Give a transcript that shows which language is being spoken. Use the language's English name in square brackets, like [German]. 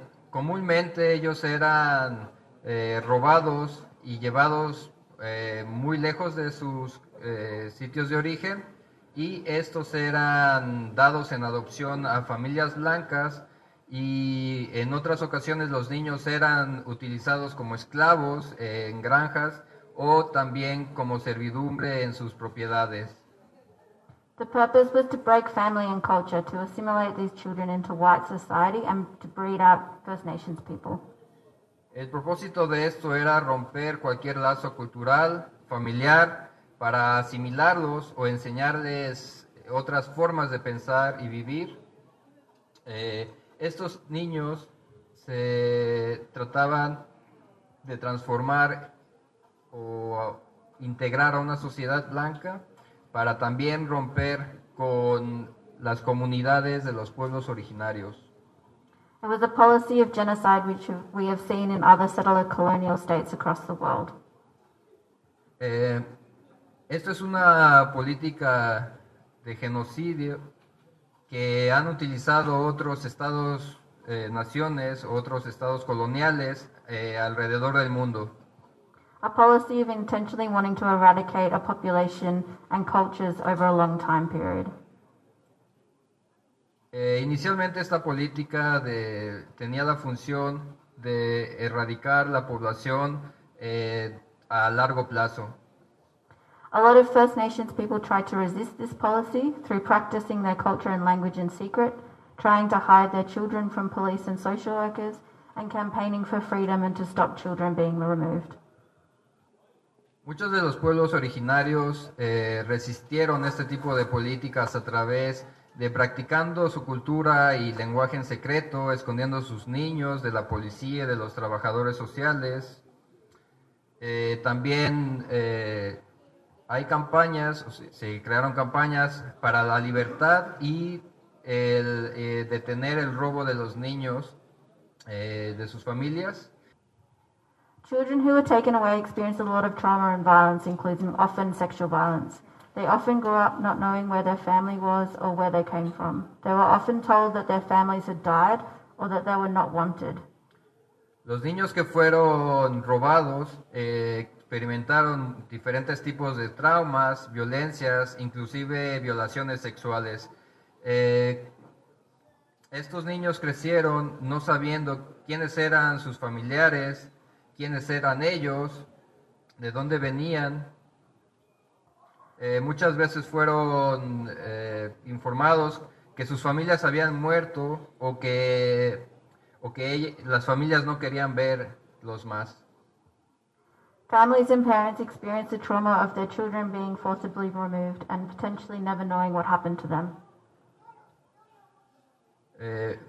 [Spanish] Comúnmente ellos eran robados y llevados muy lejos de sus sitios de origen, y estos eran dados en adopción a familias blancas, y en otras ocasiones los niños eran utilizados como esclavos en granjas o también como servidumbre en sus propiedades. [English] The purpose was to break family and culture, to assimilate these children into white society and to breed out First Nations people. [Spanish] El propósito de esto era romper cualquier lazo cultural, familiar, para asimilarlos o enseñarles otras formas de pensar y vivir. Estos niños se trataban de transformar o integrar a una sociedad blanca para también romper con las comunidades de los pueblos originarios. [English] It was a policy of genocide which we have seen in other settler colonial states across the world. [Spanish] Esto es una política de genocidio que han utilizado otros estados, naciones, otros estados coloniales alrededor del mundo. [English] A policy of intentionally wanting to eradicate a population and cultures over a long time period. [Spanish] Inicialmente esta política tenía la función de erradicar la población a largo plazo. [English] A lot of First Nations people tried to resist this policy through practicing their culture and language in secret, trying to hide their children from police and social workers, and campaigning for freedom and to stop children being removed. [Spanish] Muchos de los pueblos originarios resistieron este tipo de políticas a través de practicando su cultura y lenguaje en secreto, escondiendo sus niños de la policía y de los trabajadores sociales. También hay campañas, se crearon campañas para la libertad y el detener el robo de los niños de sus familias. [English] Children who were taken away experienced a lot of trauma and violence, including often sexual violence. They often grew up not knowing where their family was or where they came from. They were often told that their families had died or that they were not wanted. [Spanish] Los niños que fueron robados experimentaron diferentes tipos de traumas, violencias, inclusive violaciones sexuales. Estos niños crecieron no sabiendo quiénes eran sus familiares, quiénes eran ellos, de dónde venían. Muchas veces fueron informados que sus familias habían muerto o que las familias no querían verlos más. [English] Families and parents experienced the trauma of their children being forcibly removed and potentially never knowing what happened to them.